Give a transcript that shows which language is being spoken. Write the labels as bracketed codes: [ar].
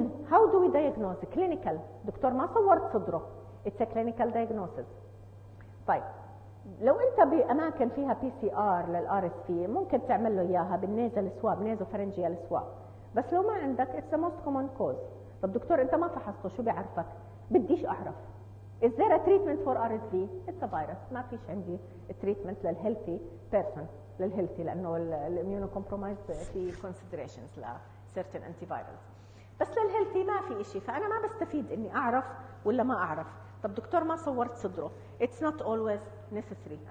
[en] how do we diagnose clinical؟ [ar] دكتور ما صورت صدره، [en] it's a clinical diagnosis. [ar] طيب لو انت باماكن فيها بي سي ار للار اس في ممكن تعمل له اياها بالنيزل سواب، نيزو فرنجيال سواب، بس لو ما عندك [en] it's the most common cause. [ar] طب دكتور انت ما فحصته شو بيعرفك؟ بديش اعرف. [en] is there a treatment for RSV؟ it's a virus. [ar] ما فيش عندي treatment للهيلثي بيرسون، للهيلثي لانه الاميونو كومبرومايز في considerations ل certain antivirals، بس للهيلثي ما في اشي، فانا ما بستفيد اني اعرف ولا ما اعرف. طب دكتور ما صورت صدره، [en] it's not always necessary.